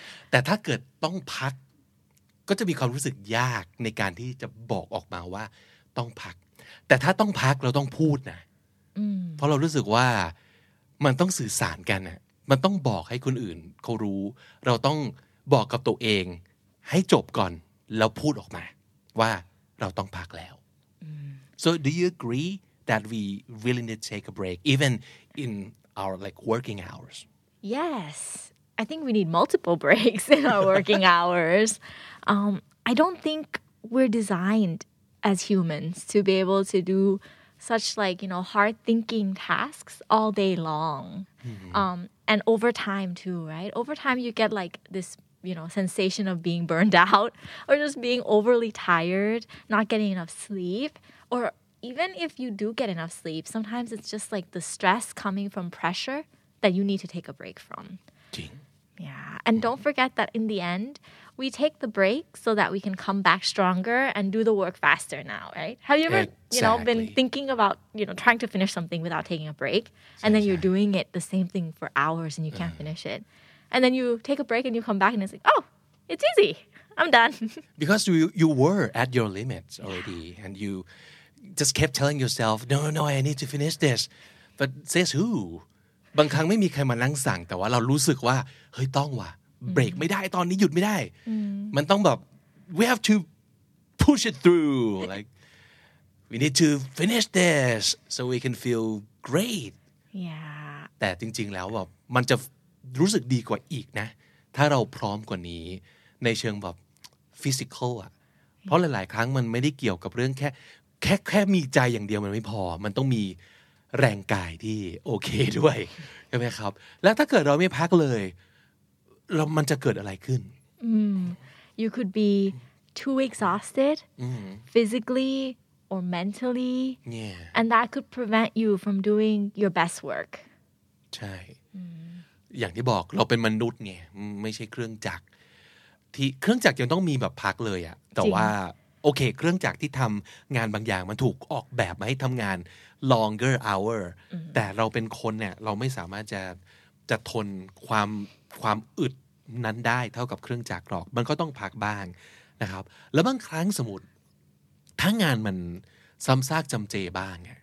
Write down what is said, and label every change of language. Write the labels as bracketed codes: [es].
[th] แต่ถ้าเกิดต้องพักก็จะมีความรู้สึกยากในการที่จะบอกออกมาว่าต้องพักแต่ถ้าต้องพักเราต้องพูดนะเพราะเรารู้สึกว่ามันต้องสื่อสารกันน่ะมันต้องบอกให้คนอื่นเขารู้เราต้องบอกกับตัวเองให้จบก่อนแล้วพูดออกมาว่าเราต้องพักแล้ว [en] So do you agree that we really need to take a break even in our like working hours? Yes. I think we need multiple breaks in our working hours. I don't think we're designed as humans to be able to do such like, you know, hard thinking tasks all day long. And overtime too, right? Overtime you get like this, you know, sensation of being burned out or just being overly tired, not getting enough sleep. Or even if you do get enough sleep, sometimes it's just like the stress coming from pressure that you need to take a break from. Jing. Yeah, and don't forget that in the end, we take the break so that we can come back stronger and do the work faster now, right? Have you ever, exactly. you know, been thinking about, you know, trying to finish something without taking a break? And then you're doing it the same thing for hours and you can't finish it. And then you take a break and you come back and it's like, oh, it's easy. I'm done. Because you were at your limits already and you just kept telling yourself, no, I need to finish this. But says who? [th] บางครั้งไม่มีใครมานั่งสั่งแต่ว่าเรารู้สึกว่าเฮ้ยต้องว่ะเบรกไม่ได้ตอนนี้หยุดไม่ได้ มันต้องแบบ [en] we have to push it through like we need to finish this so we can feel great yeah [th] แต่จริงๆแล้วแบบมันจะรู้สึกดีกว่าอีกนะถ้าเราพร้อมกว่านี้ในเชิงแบบ physical อ่ะเพราะหลายๆครั้งมันไม่ได้เกี่ยวกับเรื่องแค่มีใจอย่างเดียวมันไม่พอมันต้องมีแรงกายที่โอเคด้วยใช่ไหมครับแล้วถ้าเกิดเราไม่พักเลยเรามันจะเกิดอะไรขึ้น [en] You could be too exhausted physically or mentally yeah and that could prevent you from doing your best work [th] ใช่อย่างที่บอกเราเป็นมนุษย์ไงไม่ใช่เครื่องจักรที่เครื่องจักรยังต้องมีแบบพักเลยอะแต่ว่าโอเคเครื่องจักรที่ทำงานบางอย่างมันถูกออกแบบมาให้ทำงาน [en] longer hour [th] แต่เราเป็นคนเนี่ยเราไม่สามารถจะทนความอึดนั้นได้เท่ากับเครื่องจักรหรอกมันก็ต้องพักบ้างนะครับแล้วบางครั้งสมมุติถ้างานมันซ้ำซากจำเจบ้าง